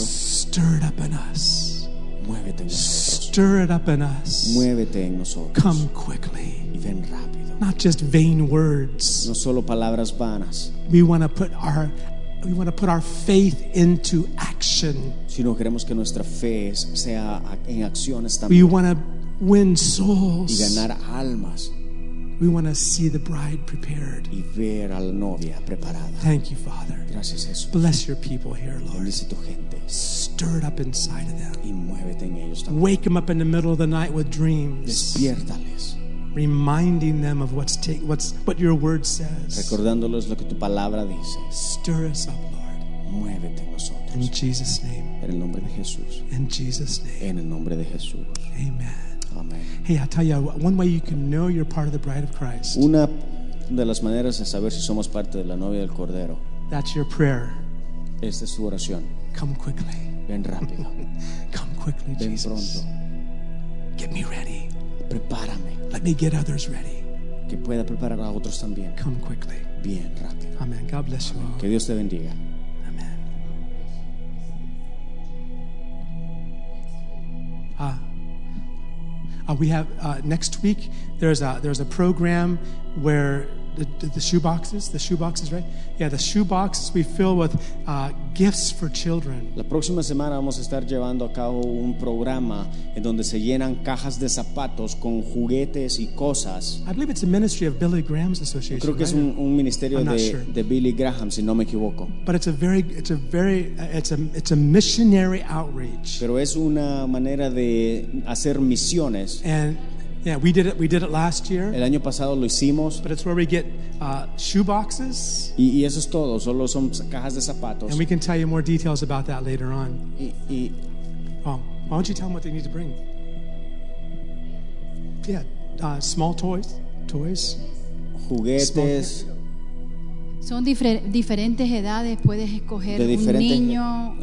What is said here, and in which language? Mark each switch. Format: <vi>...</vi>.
<en>stir it up in us.</en> <es>Muévete en nosotros.</es> <en>Stir it up in us.</en> <es>Muévete en nosotros.</es> <en>Come quickly.</en> <es>Y ven rápido.</es> <en>Not just vain words.</en> <es>No solo palabras vanas.</es> <en>We want to put our faith into action.</en> <es>Si no queremos que nuestra fe sea en acción, está.</es> <en>We want to win souls.</en> <es>Y ganar almas.</es> <en>We want to see the bride prepared.</en> <es>Y ver a la novia preparada.</es> <en>Thank you, Father.</en> <es>Gracias, Jesús.</es> <en>Bless your people here, Lord.</en> <es>Bendice tu gente.</es> <en>Stir it up inside of them.</en> <es>Y muévete en ellos también.</es> <en>Wake them up in the middle of the night with dreams.</en> <es>Despiértales.</es> <en>Reminding them of what your word says.</en> <es>Recordándoles lo que tu palabra dice.</es> <en>Stir us up, Lord.</en> <es>Muévete en nosotros.</es> <en>In Jesus' name.</en> <es>En el nombre de Jesús.</es> <en>In Jesus' name.</en> <es>En el nombre de Jesús.</es> <en>Amen.</en> <es>Amen.</es> <en>Hey, I'll tell you one way you can know you're part of the Bride of Christ.</en> <es>Una de las maneras de saber si somos parte de la novia del Cordero.</es> <en>That's your prayer.</en> <es>Esta es tu oración.</es> <en>Come quickly.</en> <es>Ven rápido.</es> <en>Come quickly,</en> <es>ven</es> <en>Jesus.</en> <es>Ven pronto.</es> <en>Get me ready.</en> <es>Prepárame.</es> <en>Let me get others ready.</en> <es>Que pueda preparar a otros también.</es> <en>Come quickly.</en> <es>Bien rápido.</es> <en>Amen. God bless you. Amen. All.</en> <es>Que Dios te bendiga.</es> <en>Amen. We have next week. There's a program where the shoeboxes, right? Yeah, the shoeboxes we fill with gifts for children.</en> <es>La próxima semana vamos a estar llevando a cabo un programa en donde se llenan cajas de zapatos con juguetes y cosas.</es> <en>I believe it's a ministry of Billy Graham's association.</en> <es>Creo que</es> <en>right?</en> <es>Es un ministerio de Billy Graham, si no me equivoco.</es> <en>But it's a missionary outreach.</en> <es>Pero es una manera de hacer misiones.</es> <en>Yeah, we did it last year.</en> <es>El año pasado lo hicimos.</es> <en>But it's where we get shoe boxes.</en> <es>Y eso es todo, solo son cajas de zapatos.</es> <en>And we can tell you more details about that later on.</en> <es>Y</es> <en>why don't you tell them what they need to bring? Yeah, small toys,</en> <es>juguetes. Son diferentes edades, puedes escoger un niño.</es>